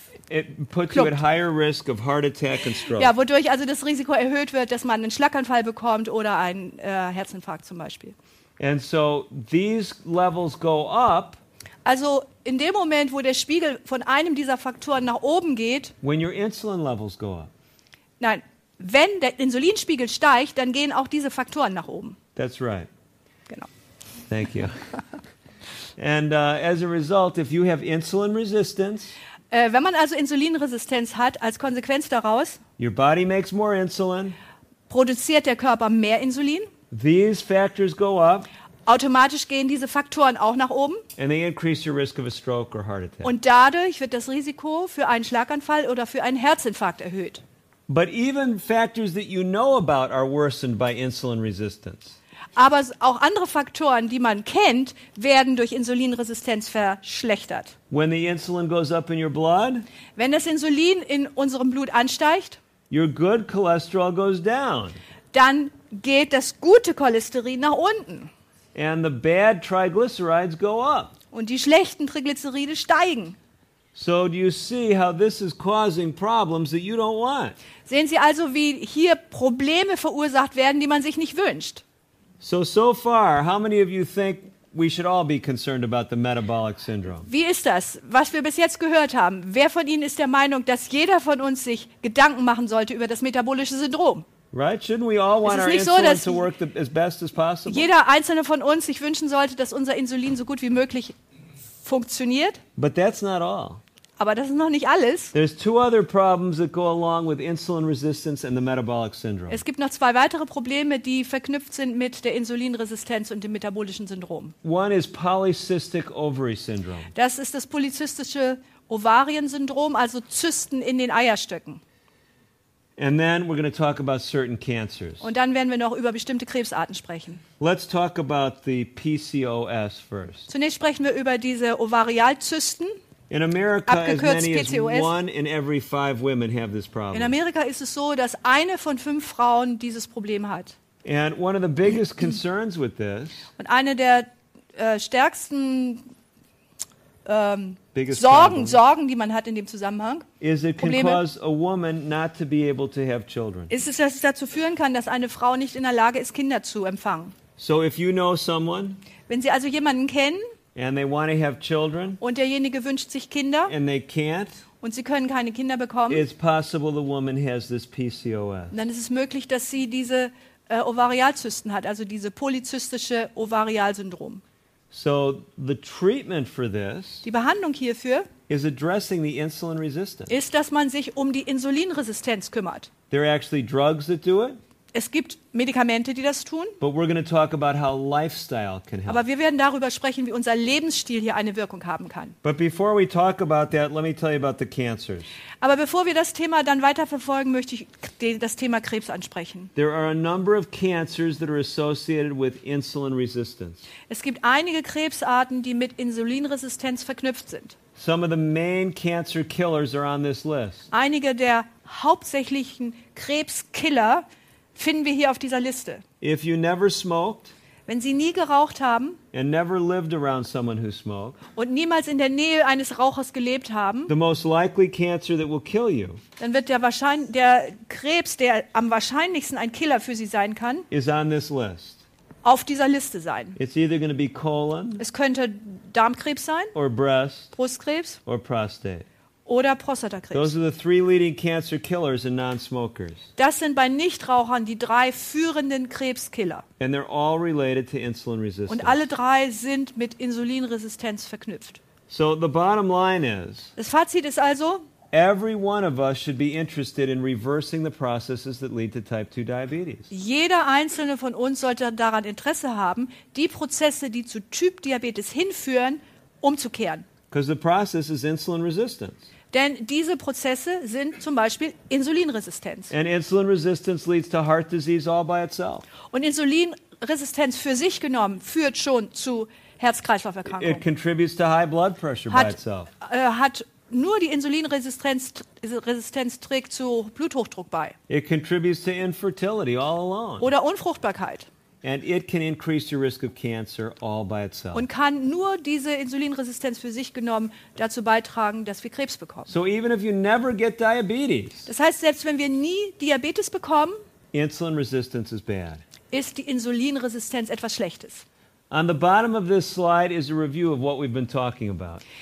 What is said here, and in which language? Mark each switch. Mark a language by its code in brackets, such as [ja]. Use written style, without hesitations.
[en] You at higher risk of heart attack and stroke. [de] Ja, wodurch also das Risiko erhöht wird, dass man einen Schlaganfall bekommt oder einen Herzinfarkt zum Beispiel. [en] And so these levels go up. [de] Also in dem Moment, wo der Spiegel von einem dieser Faktoren nach oben geht. [en] When your insulin levels go up. [de] Nein, wenn der Insulinspiegel steigt, dann gehen auch diese Faktoren nach oben. [en] That's right. [de] Genau. [en] Thank you. And as a result, if you have insulin resistance, [de] wenn man also Insulinresistenz hat, als Konsequenz daraus, [en] your body makes more insulin, [de] produziert der Körper mehr Insulin. [en] These factors go up. [de] Automatisch gehen diese Faktoren auch nach oben. [en] And they increase your risk of a stroke or heart attack. [de] Und dadurch wird das Risiko für einen Schlaganfall oder für einen Herzinfarkt erhöht. [en] But even factors that you know about are worsened by insulin resistance. [de] Aber auch andere Faktoren, die man kennt, werden durch Insulinresistenz verschlechtert. [en] When the insulin goes up in your blood, [de] wenn das Insulin in unserem Blut ansteigt, [en] your good cholesterol goes down. [de] Dann geht das gute Cholesterin nach unten. [en] And the bad triglycerides go up. [de] Und die schlechten Triglyceride steigen. [en] So do you see how this is causing problems that you don't want? [de] Sehen Sie also, wie hier Probleme verursacht werden, die man sich nicht wünscht? [en] So far, how many of you think we should all be concerned about the metabolic syndrome? [de] Wie ist das, was wir bis jetzt gehört haben? Wer von Ihnen ist der Meinung, dass jeder von uns sich Gedanken machen sollte über das metabolische Syndrom? [en] Right, shouldn't we all want our insulin to work as best as possible? [de] Jeder einzelne von uns sich wünschen sollte, dass unser Insulin so gut wie möglich funktioniert. [en] But that's not all. [de] Aber das ist noch nicht alles. [en] There's two other problems that go along with insulin resistance and the metabolic syndrome. [de] Es gibt noch zwei weitere Probleme, die verknüpft sind mit der Insulinresistenz und dem metabolischen Syndrom. [en] One is polycystic ovary syndrome. [de] Das ist das polyzystische Ovariensyndrom, also Zysten in den Eierstöcken. [en] And then we're going to talk about certain cancers. [de] Und dann werden wir noch über bestimmte Krebsarten sprechen. [en] Let's talk about the PCOS first. [de] Zunächst sprechen wir über diese Ovarialzysten. [en] In America, as many as one in every five women have this problem. [de] In Amerika ist es so, dass eine von fünf Frauen dieses Problem hat. [en] And one of the biggest concerns with this. [de] Und eine der stärksten Sorgen, die man hat in dem Zusammenhang, [en] is it can cause a woman not to be able to have children. [de] Ist es, dass es dazu führen kann, dass eine Frau nicht in der Lage ist, Kinder zu empfangen? [en] So, if you know someone. [de] Wenn Sie also jemanden kennen. [en] And they want to have children. [de] Und derjenige wünscht sich Kinder. [en] And they can't. [de] Und sie können keine Kinder bekommen. [en] It's possible the woman has this PCOS. [de] Dann ist es möglich, dass sie diese Ovarialzysten hat, also diese polyzystische Ovarialsyndrom. [en] So the treatment for this. [de] Die Behandlung hierfür. [en] Is addressing the insulin resistance. [de] Ist, dass man sich um die Insulinresistenz kümmert. [en] There are actually drugs that do it. [de] Es gibt Medikamente, die das tun. [en] But we're going to talk about how lifestyle can help. [de] Aber wir werden darüber sprechen, wie unser Lebensstil hier eine Wirkung haben kann. [en] But before we talk about that, let me tell you about the cancers. [de] Aber bevor wir das Thema dann weiterverfolgen, möchte ich das Thema Krebs ansprechen. [en] There are a number of cancers that are associated with insulin resistance. [de] Es gibt einige Krebsarten, die mit Insulinresistenz verknüpft sind. [en] Some of the main cancer killers are on this list. [de] Einige der hauptsächlichen Krebskiller finden wir hier auf dieser Liste. [en] If you never smoked, [de] wenn Sie nie geraucht haben [en] and never lived around someone who smoked, [de] und niemals in der Nähe eines Rauchers gelebt haben, [en] the most likely cancer that will kill you, [de] dann wird der Krebs, der am wahrscheinlichsten ein Killer für Sie sein kann, [en] is on this list. [de] Auf dieser Liste sein. [en] It's either going to be colon, [de] es könnte Darmkrebs sein, [en] or breast, [de] Brustkrebs [en] or prostate. [de] Oder Prostatakrebs. [en] Those are the three leading cancer killers in non-smokers. [de] Das sind bei Nichtrauchern die drei führenden Krebskiller. [en] And they're all related to insulin resistance. [de] Und alle drei sind mit Insulinresistenz verknüpft. [en] So the bottom line is. [de] Das Fazit ist also. [en] Every one of us should be interested in reversing the processes that lead to type 2 diabetes. [de] Jeder einzelne von uns sollte daran Interesse haben, die Prozesse, die zu Typ Diabetes hinführen, umzukehren. [en] Because the process is insulin resistance. [de] Denn diese Prozesse sind zum Beispiel Insulinresistenz. [en] And insulin resistance leads to heart disease all by itself. [de] Und Insulinresistenz für sich genommen führt schon zu Herz-Kreislauf-Erkrankungen. [en] It contributes to high blood pressure by itself. [de] Hat nur die Insulinresistenz trägt zu Bluthochdruck bei. [en] It contributes to infertility all alone. [de] Oder Unfruchtbarkeit. [en] And it can increase your risk of cancer all by itself. [de] Und kann nur diese Insulinresistenz für sich genommen dazu beitragen, dass wir Krebs bekommen. [en] So even if you never get diabetes. [de] Das heißt, selbst wenn wir nie Diabetes bekommen, [en] insulin resistance is bad. [de] Ist die Insulinresistenz etwas Schlechtes. [en] On the bottom of this slide is a review of what we've been talking about.